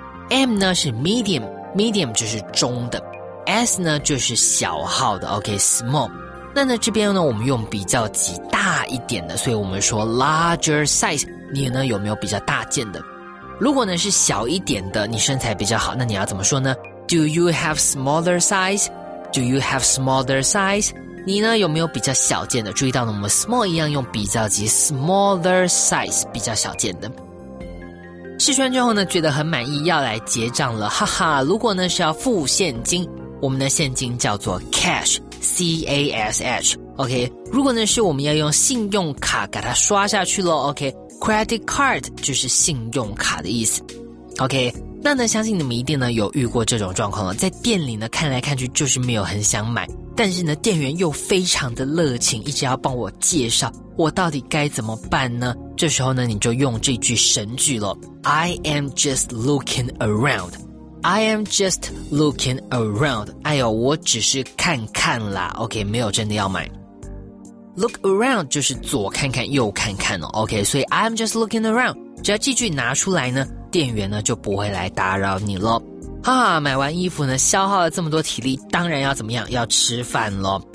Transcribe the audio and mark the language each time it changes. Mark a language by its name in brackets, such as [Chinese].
[Chinese] M 呢是 [English] medium,medium [Chinese] 就是中的 ,s 呢就是小号的 , [English] ok, small。 [Chinese] 那呢这边呢我们用比较级大一点的，所以我们说 [English] larger size, [Chinese] 你呢有没有比较大件的？如果呢是小一点的，你身材比较好，那你要怎么说呢？ [English] Do you have smaller size? Do you have smaller size? [Chinese] 你呢有没有比较小件的？注意到呢我们 small 一样用比较级 [English] smaller size, [Chinese] 比较小件的。试穿之后呢觉得很满意，要来结账了，哈哈。如果呢是要付现金，我们的现金叫做 [English] cash, C-A-S-H, OK。 [Chinese] 如果呢是我们要用信用卡给它刷下去咯， OK, [English] credit card [Chinese] 就是信用卡的意思， OK。那呢相信你们一定呢有遇过这种状况了，在店里呢看来看去就是没有很想买，但是呢店员又非常的热情，一直要帮我介绍，我到底该怎么办呢？这时候呢，你就用这句神句了。 [English] I am just looking around. I am just looking around. [Chinese] 哎呦，我只是看看啦。OK, 没有真的要买。 [English] Look around [Chinese] 就是左看看右看看哦。OK, 所以 [English] I'm just looking around, [Chinese] 只要这句拿出来呢，店员呢就不会来打扰你咯。哈哈，买完衣服呢，消耗了这么多体力，当然要怎么样，要吃饭咯。